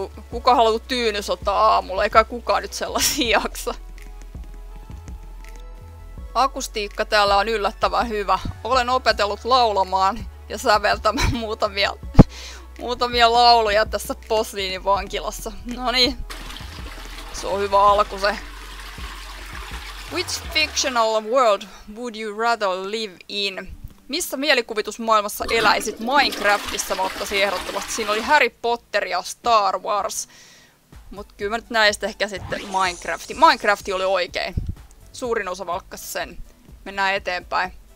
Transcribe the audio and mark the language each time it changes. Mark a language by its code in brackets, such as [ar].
[fi] Kuka haluu tyynys ottaa aamulla? Eikä kukaan nyt sellaisia jaksa. Akustiikka täällä on yllättävän hyvä. Olen opetellut laulamaan ja säveltämään Muutamia lauluja tässä posliinivankilassa. No niin. Se on hyvä alku se. [en] Which fictional world would you rather live in? [fi] Missä mielikuvitusmaailmassa eläisit? Minecraftissa mä ottaisin ehdottomasti. Siinä oli Harry Potter ja Star Wars. Mut kyllä mä nyt näistä ehkä sitten Minecrafti. Minecrafti oli oikein. Suurin osa valkkasi sen. Mennään eteenpäin.